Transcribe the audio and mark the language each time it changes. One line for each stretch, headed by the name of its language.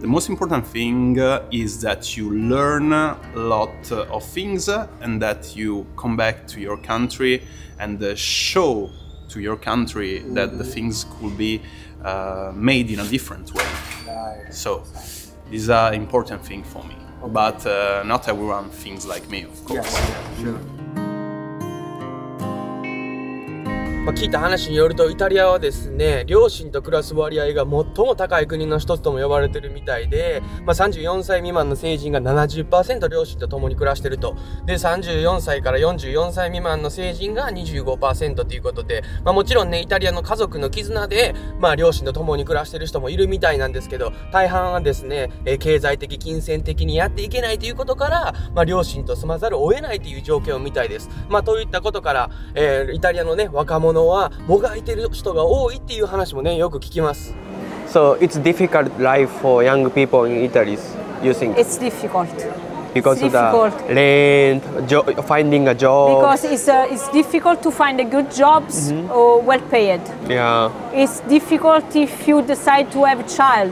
English: The most important thing is that you learn a lot of things and that you come back to your country and show to your country mm-hmm. that the things could be made in a different way. So, this is an important thing for me. Okay. But not everyone thinks like me, of course. Yes, yeah, sure.
Japanese: まあ、聞いた話によると、イタリアはですね、両親と暮らす割合が最も高い国の一つとも呼ばれてるみたいで、まあ、34歳未満の成人が 70% 両親と共に暮らしてると。で、34歳から44歳未満の成人が 25% ということで、まあ、もちろんね、イタリアの家族の絆で、まあ、両親と共に暮らしてる人もいるみたいなんですけど、大半はですね、経済的、金銭的にやっていけないということから、まあ、両親と住まざるを得ないという状況みたいです。まあ、といったことから、イタリアのね、若者ものはもがいてる人が多いっていう話もねよく聞きます。
English: So it's difficult life for young people in Italy, you think? It's difficult. Because it's difficult. Of the rent, finding a job. Because it's difficult to find a good jobs mm-hmm. or well paid. Yeah. It's difficult if you decide to have a child